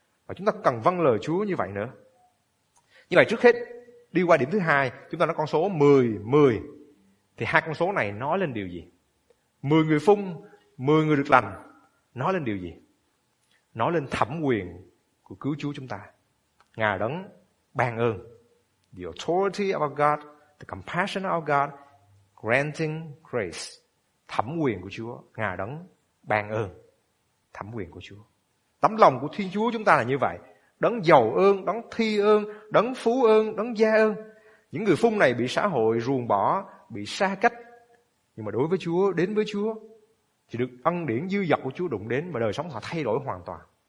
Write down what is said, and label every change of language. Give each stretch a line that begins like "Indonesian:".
Vietnamese: Và chúng ta cần vâng lời Chúa như vậy nữa. Như vậy trước hết, đi qua điểm thứ hai, chúng ta nói con số 10, 10. Thì hai con số này nói lên điều gì? 10 người phung, 10 người được lành, nói lên điều gì? Nói lên thẩm quyền của cứu Chúa chúng ta. Ngài đấng ban ơn.
English: The authority of our God, the compassion of our God, granting grace.
Vietnamese: Thẩm quyền của Chúa, Ngài đấng ban ơn. Thẩm quyền của Chúa. Tấm lòng của Thiên Chúa chúng ta là như vậy. Đấng giàu ơn, đấng thi ơn, đấng phú ơn, đấng gia ơn. Những người phung này bị xã hội ruồng bỏ, bị xa cách. Nhưng mà đối với Chúa, đến với Chúa, thì được ân điển dư dật của Chúa đụng đến và đời sống họ thay đổi hoàn toàn.